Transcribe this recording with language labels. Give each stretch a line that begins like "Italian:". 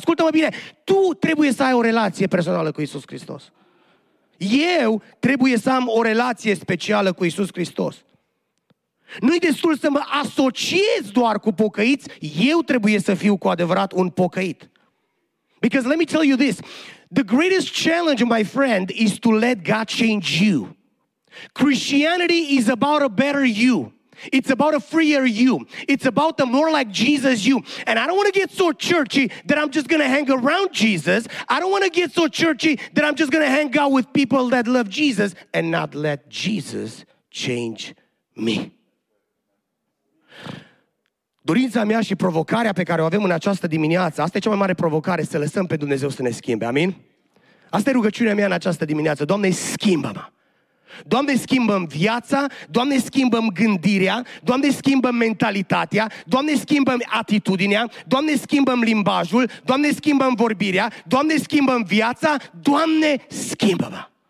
Romanian: Ascultă-mă bine, tu trebuie să ai o relație personală cu Iisus Hristos. Eu trebuie să am o relație specială cu Iisus Hristos. Nu-i destul să mă asociez doar cu pocăiți, eu trebuie să fiu cu adevărat un pocăit.
English: Because let me tell you this, the greatest challenge, my friend, is to let God change you. Christianity is about a better you. It's about a freer you. It's about the more like Jesus you. And I don't want to get so churchy that I'm just going to hang around Jesus. I don't want to get so churchy that I'm just going to hang out with people that love Jesus and not let Jesus change me.
Romanian: Dorința mea și provocarea pe care o avem în această dimineață, asta e cea mai mare provocare, să lăsăm pe Dumnezeu să ne schimbe. Amin? Asta e rugăciunea mea în această dimineață. Doamne, schimbă-mă! Doamne, schimbă-mi viața, Doamne, schimbă-mi gândirea, Doamne, schimbă-mi mentalitatea, Doamne, schimbă-mi atitudinea, Doamne, schimbă-mi limbajul, Doamne, schimbă-mi vorbirea, Doamne, schimbă-mi viața, Doamne, schimbă-mă!